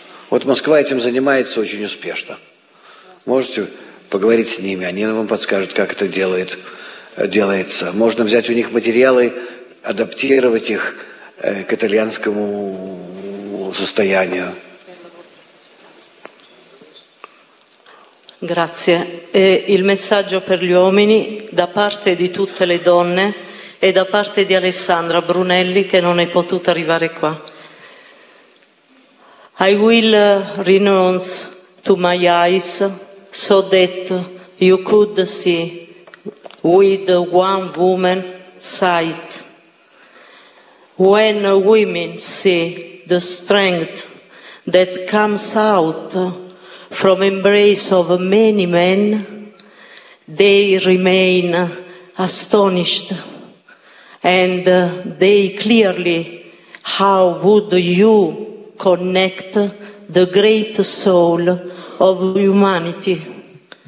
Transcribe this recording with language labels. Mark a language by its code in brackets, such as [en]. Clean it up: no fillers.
[ru] Вот Москва этим занимается очень успешно. Можете поговорить с ними, они вам подскажут, как это делается. Можно взять у них материалы, адаптировать их к итальянскому состоянию. [it] Grazie. E il messaggio per gli uomini da parte di tutte le donne e da parte di Alessandra Brunelli, che non è potuta arrivare qua. [en] I will renounce to my eyes so that you could see with one woman sight. When women see the strength that comes out from embrace of many men, they remain astonished, and they clearly, how would you connect the great soul of humanity?